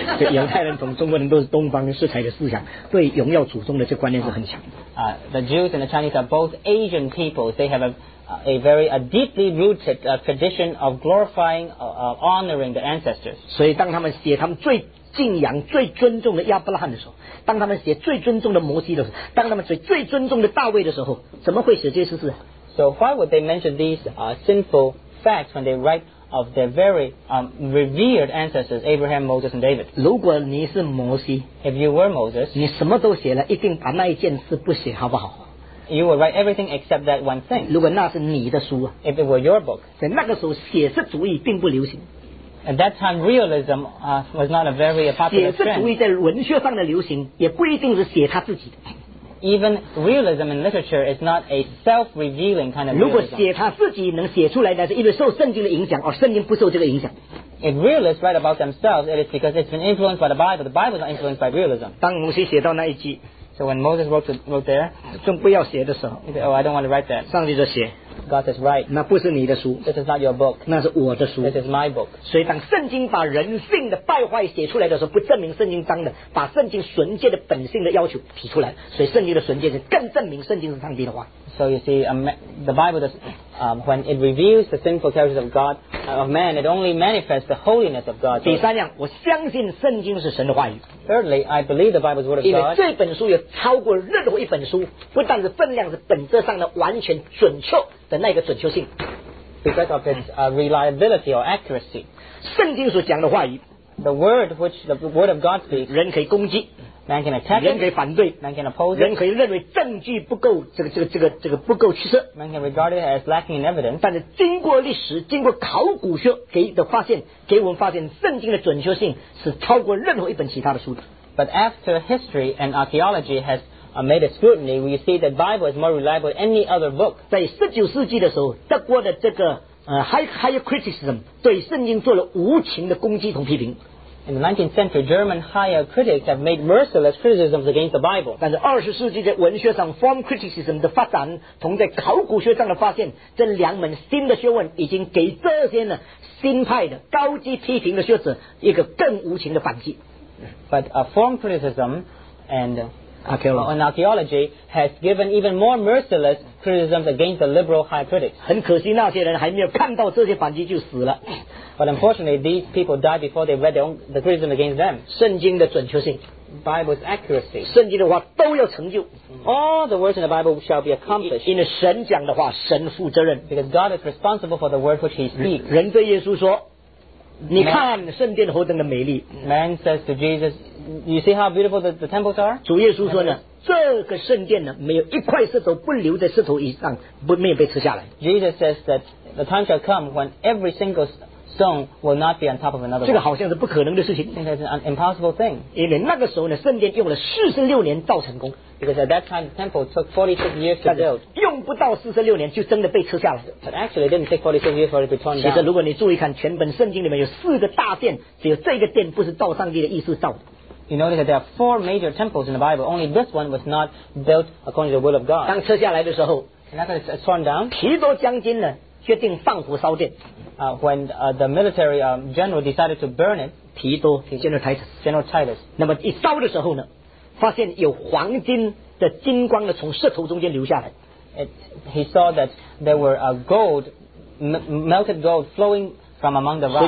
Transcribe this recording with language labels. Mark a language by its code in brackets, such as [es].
[zh] 犹太人同中国人都是东方色彩的思想，对荣耀祖宗的这个观念是很强的。 [en] The Jews and the Chinese are both Asian peoples. They have a very deeply rooted tradition of glorifying, honoring the ancestors. [zh] 所以当他们写他们最敬仰、最尊重的亚伯拉罕的时候，当他们写最尊重的摩西的时候，当他们写最尊重的大卫的时候，怎么会写这些事？ [en] So why would they mention these sinful facts when they write of their very revered ancestors, Abraham, Moses, and David. [zh] 如果你是摩西, [en] if you were Moses, [zh] 你什么都写了，一定把那一件事不写，好不好？ [en] You would write everything except that one thing. [zh] 如果那是你的书, [en] if it were your book, [zh] 在那个时候写实主义并不流行。 [en] At that time, realism was not a very popular trend. [zh] 写实主义在文学上的流行，也不一定是写他自己的。 [en] Even realism in literature is not a self-revealing kind of realism. [zh] 如果写他自己能写出来的，是因为受圣经的影响，而圣经不受这个影响。 [en] If realists write about themselves, it is because it's been influenced by the Bible. The Bible is not influenced by realism. [zh] 当摩西写到那一句。 [en] So when Moses wrote there, [zh] 更不要写的时候。 [en] Oh, I don't want to write that. [zh] 上帝就写。 [en] God says, write. [zh] 那不是你的书。 [en] This is not your book. [zh] 那是我的书。 [en] This is my book. [zh] 所以当圣经把人性的败坏写出来的时候，不证明圣经当的，把圣经纯洁的本性的要求提出来，所以圣经的纯洁是更证明圣经是上帝的话。 [en] So you see, the Bible does, when it reveals the sinful character of God, of man, it only manifests the holiness of God. [zh] 第三样，我相信圣经是神的话语。 [en] Thirdly, I believe the Bible is word of God. [zh] 因为这本书有超过任何一本书，不但是分量，是本质上的完全准确的那个准确性。 [en] Because of its reliability or accuracy. [zh] 圣经所讲的话语。 [en] The word which the word of God speaks. [zh] 人可以攻击。 [en] Man can attack it. [zh] 人可以反对。 [en] Man can oppose it. [zh] 人可以认为证据不够，这个不够确实。 [en] Man can regard it as lacking in evidence. [zh] 但是经过历史，经过考古学给的发现，给我们发现圣经的准确性是超过任何一本其他的书的。 [en] But after history and archaeology has made a scrutiny, we see that Bible is more reliable than any other book. [zh] 在19世纪的时候，德国的这个high criticism 对圣经做了无情的攻击和批评。 [en] In the 19th century, German higher critics have made merciless criticisms against the Bible. [zh] 但是20世纪的文学上 form criticism 的发展，同在考古学上的发现，这两门新的学问已经给这些呢新派的高级批评的学者一个更无情的反击。 [en] But a form criticism and archaeology has given even more merciless criticisms against the liberal high critics. [zh] 很可惜，那些人还没有看到这些反击就死了。 [en] But unfortunately, these people died before they read the criticism against them. [zh] 圣经的准确性。 [en] Bible's accuracy. [zh] 圣经的话都要成就。 [en] All the words in the Bible shall be accomplished. [zh] 因为神讲的话，神负责任。 [en] Because God is responsible for the word which he speaks. [zh] 人对耶稣说，你看圣殿何等的美丽。 [en] Man says to Jesus, you see how beautiful the temples are? [zh] 主耶稣说呢，这个圣殿呢，没有一块石头不留在石头以上，不没有被撤下来。 [en] Jesus says that the time shall come when every single stone will not be on top of another one. [zh] 这个好像是不可能的事情。 [en] It is an impossible thing. [zh] 因为那个时候呢，圣殿用了46年造成功。 [en] Because at that time, the temple took 46 years to build. [zh] 用不到46年就真的被撤下来。 [en] But actually, it didn't take 46 years for it to be torn down. [zh] 其实如果你注意看，全本圣经里面有四个大殿，只有这个殿不是照上帝的意思造的。 [en] You notice that there are four major temples in the Bible. Only this one was not built according to the will of God. [zh] 当撤下来的时候， [en] after it's torn down, [zh] 提多将军呢决定放火烧殿。 [en] When the military general decided to burn it, 提多 General Titus. [zh] 那么一烧的时候呢，发现有黄金的金光呢从石头中间流下来。 [en] He saw that there were gold, melted gold flowing from among the rocks.